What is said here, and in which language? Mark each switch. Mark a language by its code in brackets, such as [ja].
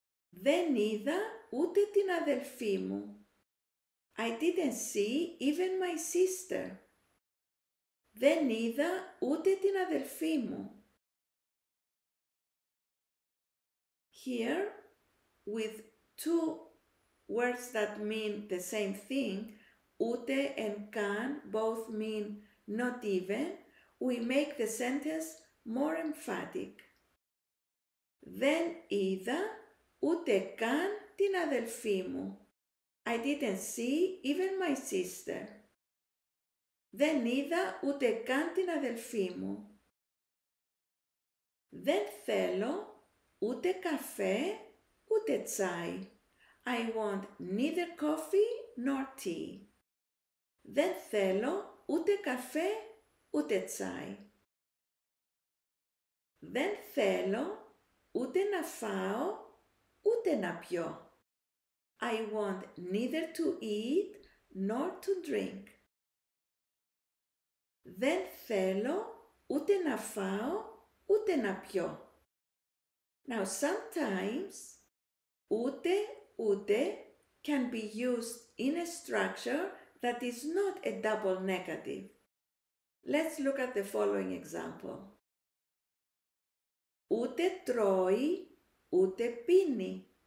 [el] Δεν είδα ούτε την αδελφή μου. [en] I didn't see even my sister. [el] Δεν είδα ούτε την αδελφή μου. [en] Here, with two words that mean the same thing, ούτε and καν both mean not even, we make the sentence more emphatic. [el] Δεν είδα ούτε καν την αδελφή μου. [en] I didn't see even my sister. [el] Δεν είδα ούτε καν την αδελφή μου. Δεν θέλω ούτε καφέ ούτε τσάι. [en] I want neither coffee nor tea. [el] Δεν θέλω ούτε καφέ ούτε τσάι. Δεν θέλω ούτε να φάω ούτε να πιω. [en] I want neither to eat nor to drink. [el] Δεν θέλω ούτε να φάω ούτε να πιω. [en] Now sometimes ούτε ούτε can be used in a structure that is not a double negative. Let's look at the following example. [el] Ούτε τρώει ούτε πίνει.